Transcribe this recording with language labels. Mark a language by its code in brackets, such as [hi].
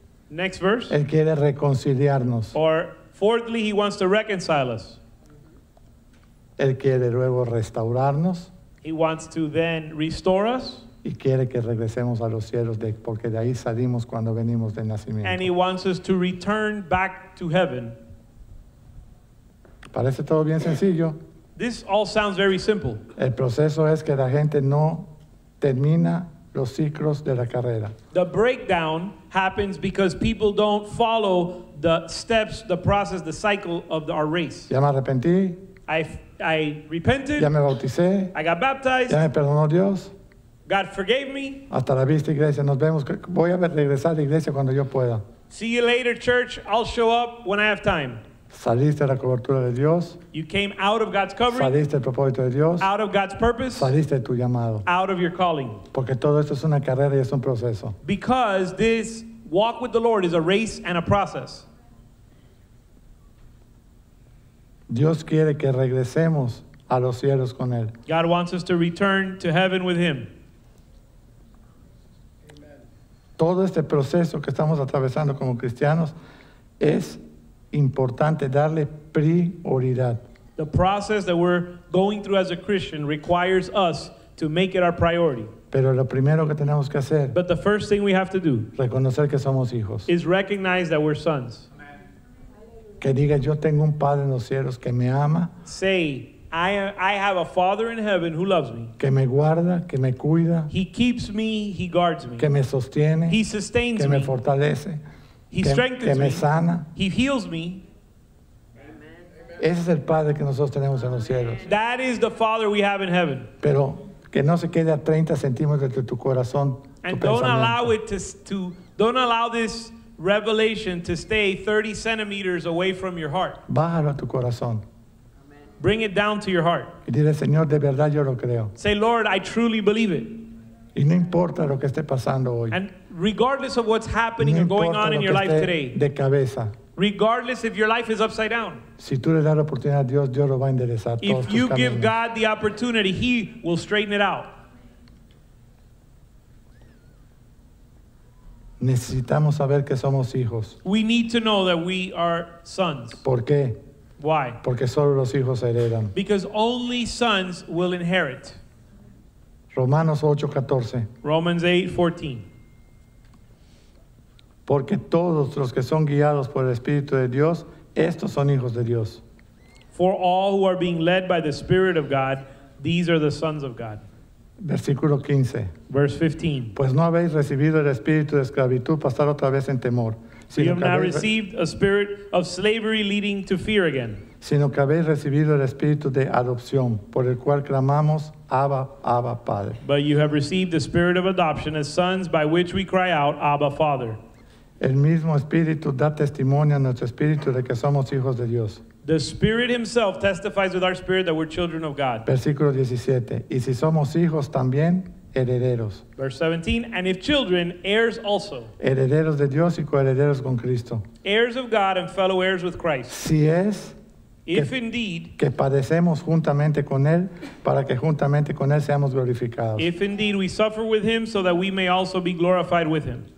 [en] Next verse. [es] Él quiere reconciliarnos. [en] Or fourthly, he wants to reconcile us. [es] Él quiere luego restaurarnos. [en] He wants to then restore us. [es] Y quiere que regresemos a los cielos de, porque de ahí salimos cuando venimos de nacimiento. [en] And he wants us to return back to heaven [es] Parece todo bien sencillo. [en] This all sounds very simple. [es] El proceso es que la gente no termina los ciclos de la carrera. [en] The breakdown happens because people don't follow the steps, the process, the cycle of our race. [es] Ya me arrepentí. [en] I repented. [es] Ya me bauticé. [en] I got baptized. [es] Ya me perdonó Dios. [en] God forgave me. [es] Hasta la vista, iglesia. Nos vemos. Voy a regresar a la iglesia cuando yo pueda. [en] See you later, church. I'll show up when I have time. [es] Saliste de la cobertura de Dios. [en] You came out of God's covering. [es] Saliste del propósito de Dios. [en] Out of God's purpose. [es] Saliste de tu llamado. [en] Out of your calling. [es] Porque todo esto es una carrera y es un proceso. [en] Because this walk with the Lord is a race and a process. [es] Dios quiere que regresemos a los cielos con Él. [en] God wants us to return to heaven with Him. [es] Todo este proceso que estamos atravesando como cristianos es importante darle prioridad. [en] The process that we're going through as a Christian requires us to make it our priority. [es] Pero lo primero que tenemos que hacer, [en] but the first thing we have to do, [es] reconocer que somos hijos, [en] is recognize that we're sons. [es] Que diga, yo tengo un padre en los cielos que me ama. [en] Say, I have a father in heaven who loves me. [es] Que me guarda, que me cuida. [en] He keeps me, he guards me. [es] Que me sostiene. [en] He sustains [es] que [en] me. [es] Que me fortalece. [en] He strengthens [es] Que me sana. [en] He heals me. [es] Ese es el padre que nosotros tenemos en los cielos. [en] That is the father we have in heaven. [es] Pero que no se quede a 30 centímetros de tu corazón, [en] and [es] tu pensamiento. [en] And don't allow this revelation to stay 30 centimeters away from your heart. [es] Bájalo a tu corazón. [en] Bring it down to your heart. [es] Y dile, Señor, de verdad yo lo creo. [en] Say, Lord, I truly believe it. [es] Y no importa lo que esté pasando hoy. [en] And regardless of what's happening [es] no [en] or going on in your life today, [es] de cabeza, [en] regardless if your life is upside down, [es] si tú le das la oportunidad a Dios, Dios lo va a enderezar todos [en] if you [es] tus [en] give [es] caminos. [en] God the opportunity, He will straighten it out. [es] Necesitamos saber que somos hijos. [en] We need to know that we are sons. [es] ¿Por qué? [en] Why? [es] Porque solo los hijos heredan. [en] Because only sons will inherit. [es] Romanos 8:14. [en] Romans 8:14. [es] Porque todos los que son guiados por el Espíritu de Dios, estos son hijos de Dios. [en] For all who are being led by the Spirit of God, these are the sons of God. [es] Versículo 15. [en] Verse 15. [es] Pues no habéis recibido el espíritu de esclavitud para estar otra vez en temor. [en] You have not received a spirit of slavery leading to fear again. [es] Sino que habéis recibido el espíritu de adopción, por el cual clamamos, Abba, Abba, Padre. [en] But you have received the spirit of adoption as sons by which we cry out, Abba, Father. [es] El mismo espíritu da testimonio a nuestro espíritu de que somos hijos de Dios. [en] The spirit himself testifies with our spirit that we're children of God. [es] Versículo 17. Y si somos hijos también, herederos. [en] Verse 17, and if children, heirs also. [es] Herederos de Dios y coherederos con Cristo. [en] Heirs of God and fellow heirs with Christ. [es] Si es, [en] if indeed, [es] que padecemos juntamente con Él, para que juntamente con Él seamos glorificados. [en] If indeed we suffer with Him, so that we may also be glorified with Him.